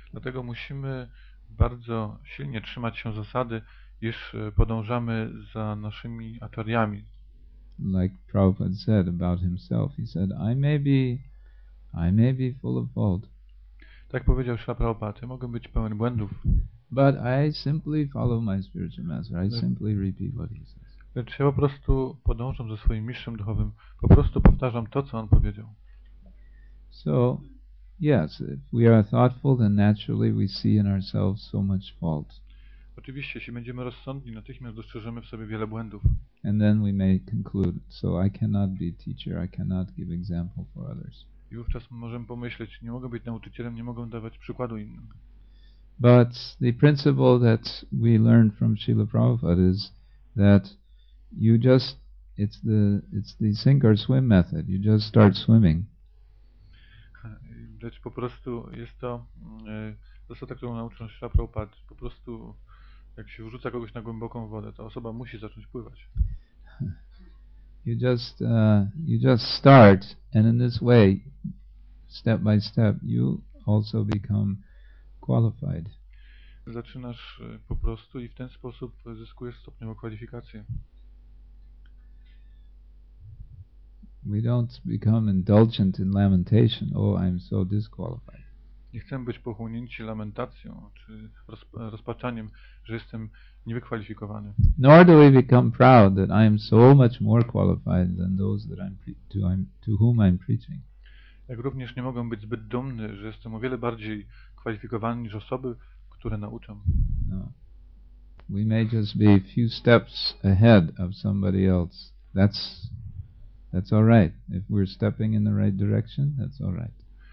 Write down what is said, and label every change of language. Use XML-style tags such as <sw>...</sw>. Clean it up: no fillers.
<pl>Dlatego musimy bardzo silnie trzymać się zasady, iż podążamy za naszymi acharyami.</pl> <en>Like Prabhupada said about himself, he said, I may be full of fault.</en> <pl>Tak powiedział Śrīla Prabhupāda, mogę być pełen błędów.</pl> <en>But I simply follow my spiritual master. I simply repeat what he says.</en> <pl>Lecz ja po prostu podążam ze swoim mistrzem duchowym. Po prostu powtarzam to, co on powiedział.</pl> <en>So, yes, if we are thoughtful, then naturally we see in ourselves so much fault.</en> <pl>Oczywiście, jeśli będziemy rozsądni, natychmiast dostrzeżemy w sobie wiele błędów.</pl> <en>And then we may conclude, so I cannot be teacher, I cannot give example for others.</en> <pl>I wówczas możemy pomyśleć, nie mogę być nauczycielem, nie mogę dawać przykładu innym.</pl> <en>But the principle that we learned from Srila Prabhupada is that you just, it's the sink or swim method, you just start swimming.</en> <pl>Lecz po prostu jest to zasada, którą nauczył Srila Prabhupada, po prostu jak się wrzuca kogoś na głęboką wodę, ta osoba musi zacząć pływać.</pl> <en>You just start, and in this way, step by step, you also become qualified.</en> <pl>Zaczynasz po prostu i w ten sposób zyskujesz stopniowo kwalifikację.</pl> <en>We don't become indulgent in lamentation. Oh, I'm so disqualified.</en> <pl>Nie chcę być pochłonięci lamentacją czy rozpaczaniem, że jestem niewykwalifikowany.</pl> <en>Nor do we become proud that I am so much more qualified than those that to whom I'm preaching.</en> <pl>Jak również nie mogę być zbyt dumny, że jestem o wiele bardziej kwalifikowany niż osoby, które nauczam.</pl> <en>No. We may just be a few steps ahead of somebody else. That's all right. If we're stepping in the right direction, that's all right.</en>